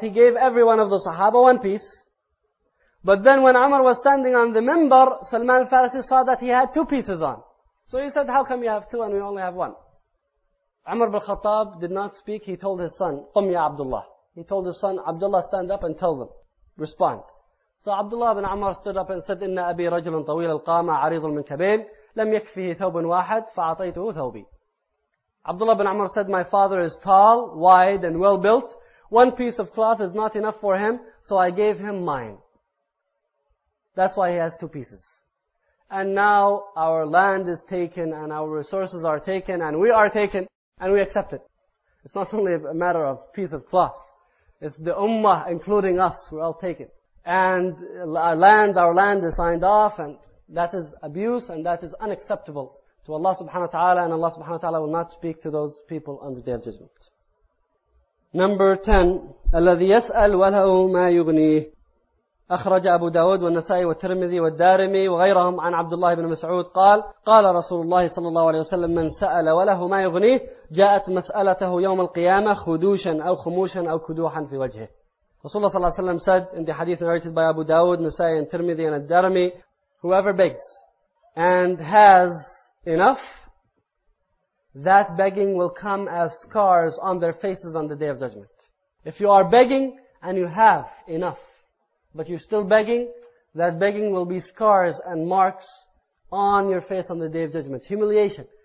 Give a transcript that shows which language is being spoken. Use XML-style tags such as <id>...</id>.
<en>He gave every one of the Sahaba one piece. But then when Umar was standing on the minbar, Salman al-Farsi saw that he had two pieces on. So he said, how come you have two and we only have one? Umar ibn Khattab did not speak. He told his son,</en> <ar>قُمْ يَا</ar> <en>Abdullah. He told his son, Abdullah, stand up and tell them. Respond. So Abdullah ibn Umar stood up and said,</en> <ar>إِنَّ أَبِي رَجْلٌ طَوِيلَ الْقَامَ عَرِيضٌ مِنْ كَبِيلٍ لَمْ يَكْفِهِ ثَوْبٌ وَاحَدٌ فَعَطَيْتُهُ ثَوْبِي.</ar> <en>Abdullah ibn Umar said, my father is tall, wide and well built. One piece of cloth is not enough for him, so I gave him mine. That's why he has two pieces. And now our land is taken and our resources are taken and we are taken and we accept it. It's not only a matter of piece of cloth. It's the ummah, including us, we're all taken. And our land is signed off and that is abuse and that is unacceptable to Allah subhanahu wa ta'ala, and Allah subhanahu wa ta'ala will not speak to those people on the Day of Judgment. Number 10,</en> <ar>الَّذِي يَسْأَلْ وَلَهُ مَا يُغْنِيهِ. أخرج أبو داود والنسائي والترمذي والدارمي وغيرهم عن عبد الله بن مسعود قال قال رسول الله صلى الله عليه وسلم من سأل وله ما يغنيه جاءت مسألته يوم القيامة خدوشا أو خموشا أو كدوحا في وجهه. رسول الله صلى الله عليه وسلم</ar> <en>said in the hadith narrated by Abu Dawood, Nasa'i and Tirmidhi and al-Darimi, whoever begs and has enough, that begging will come as scars on their faces on the Day of Judgment. If you are begging and you have enough, but you're still begging, that begging will be scars and marks on your face on the Day of Judgment. Humiliation.</en>